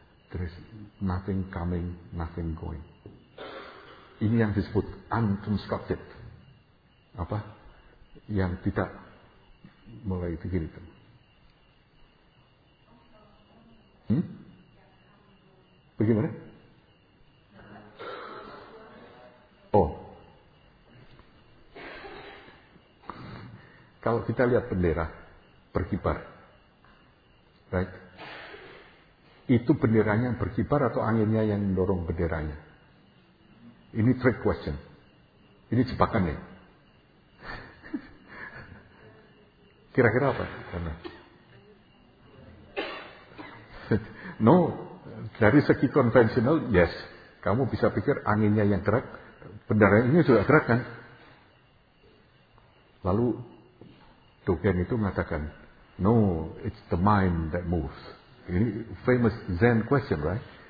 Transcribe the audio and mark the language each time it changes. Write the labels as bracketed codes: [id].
[en] There is nothing coming, nothing going. [id] Ini yang disebut unconstructed. Apa? Yang tidak mulai begini. Bagaimana? Oh. Kalau kita lihat bendera berkibar. [en] Right? [id] Itu benderanya berkibar atau anginnya yang mendorong benderanya? Ini trick question. Ini jebakan nih. Kira-kira apa? Karena [en] no, [id] dari segi konvensional, [en] yes. [id] Kamu bisa pikir anginnya yang gerak, benderanya juga gerak kan? Lalu Dogen itu mengatakan, [en] no, it's the mind that moves. [id] Ini [en] famous Zen question, right?